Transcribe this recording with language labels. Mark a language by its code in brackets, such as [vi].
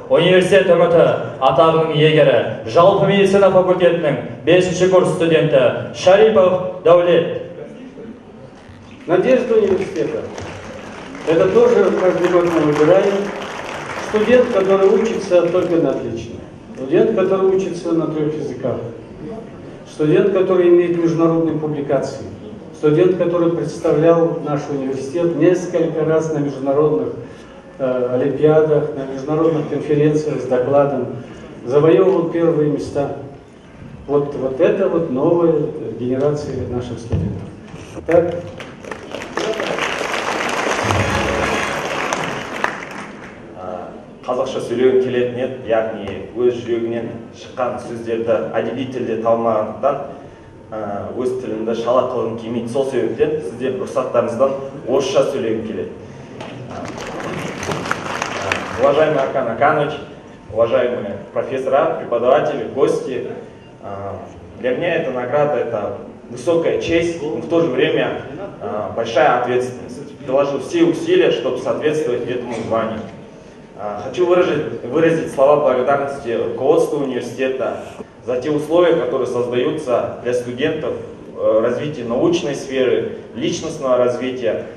[kk] Университет үміті атағының егері жалпы медицина факультетінің 5-ші курс студенті Шарипов Дәулет. [ru] Надежда университета. Это тоже каждый год мы выбираем. Студент, который учится только на отлично. Студент, который учится на трех языках. Студент, который имеет международные публикации. Студент, который представлял наш университет несколько раз на международных олимпиадах, на международных конференциях с докладом, завоевывал первые места. Вот это вот новая генерация наших студентов. Так. [kk] Қазақша сөйлеген келетін еді, яғни өз жүрегінен шыққан сөздерді әдеби тілде талмағандықтан өз тілімді шала қылғым келмейді. Сол себептен сізде рұқсаттарыңыздан орысша сөйлеген келеді. [ru] Уважаемый Аркан Аканович, уважаемые профессора, преподаватели, гости, для меня эта награда – это высокая честь, но в то же время большая ответственность. Приложу все усилия, чтобы соответствовать этому званию. Хочу выразить слова благодарности руководству университета за те условия, которые создаются для студентов, развития научной сферы, личностного развития.